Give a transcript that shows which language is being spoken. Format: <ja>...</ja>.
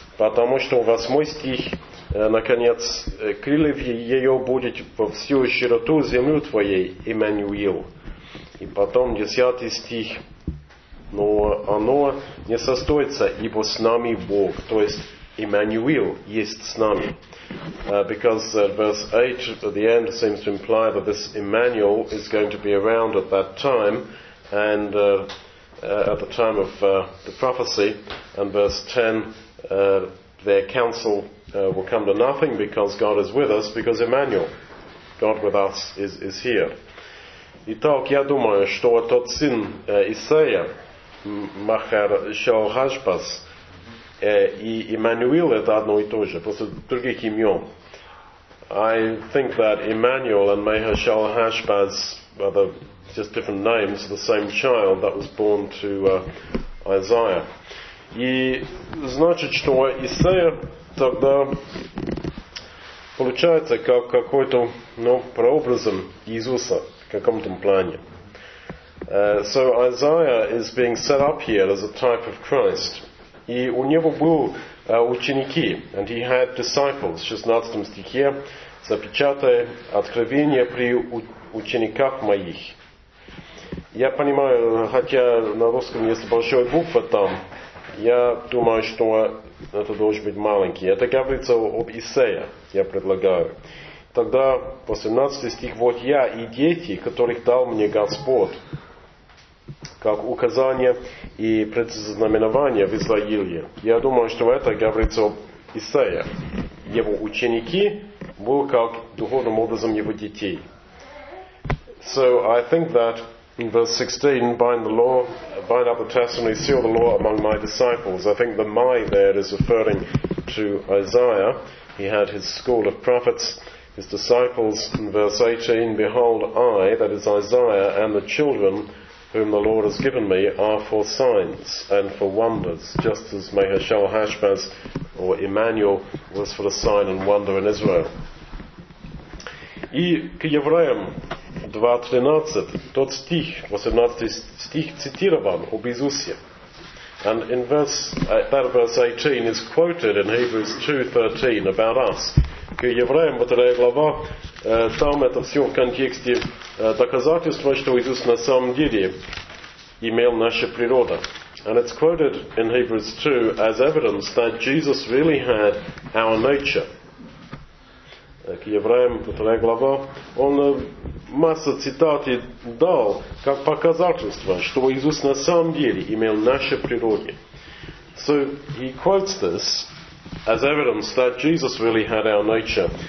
<ru>Потому что восьмой стих, наконец, крылья ее будет во всю широту земли твоей, Эммануил. И потом десятый стих, но оно не состоится, ибо с нами Бог. То есть, Эммануил есть с нами.</ru> <en>Because verse 8 at the end seems to imply that this Emmanuel is going to be around at that time. And at the time of the prophecy, and verse 10 their counsel will come to nothing because God is with us, because Emmanuel, God with us, is here.</en> <ru>Итак, я думаю, что тот сын Исаия, Махер Шалхашбас, и Эммануил это одно и то же, просто других имен.</ru> <en>I think that Emmanuel and Махер Шалхашбас are the just different names of the same child that was born to Isaiah.</en> <ru>И значит, что Исаия тогда получается как какой-то, ну, прообразом Иисуса в каком-то плане.</ru> <en>So Isaiah is being set up here as a type of Christ.</en> <ru>И у него был ученики,</ru> <en>and he had disciples.</en> <ru>16 стихе запечатай откровение при учениках моих. Я понимаю, хотя на русском есть большой буква там, я думаю, что это должен быть маленький. Это говорится об Исея, я предлагаю. Тогда 18 стих, вот я и дети, которых дал мне Господь, как указание и предзнаменование в Израиле. Я думаю, что это говорится об Исея. Его ученики были как духовным образом его детей.</ru> <en>So I think that in verse 16, bind the law, bind up the testimony, seal the law among my disciples. I think the my there is referring to Isaiah. He had his school of prophets, his disciples. In verse 18, behold, I, that is Isaiah, and the children whom the Lord has given me are for signs and for wonders, just as Махер Шалхашбаз or Emmanuel was for a sign and wonder in Israel.</en> <ru>И к евреям 2:13, тот стих, 18 стих цитирован об Иисусе.</ru> <en>And in verse 18 is quoted in Hebrews 2:13 about us.</en> <ru>К евреям, вот эта глава, там это все в контексте доказательства, что Иисус на самом деле имел нашу природу.</ru> <en>And it's quoted in Hebrews 2 as evidence that Jesus really had our nature.</en> <ru>К евреям, вторая глава, он масса цитаты дал как показательство, что Иисус на самом деле имел наше природе.</ru> <en>So he quotes this as evidence that Jesus really had our nature.</en>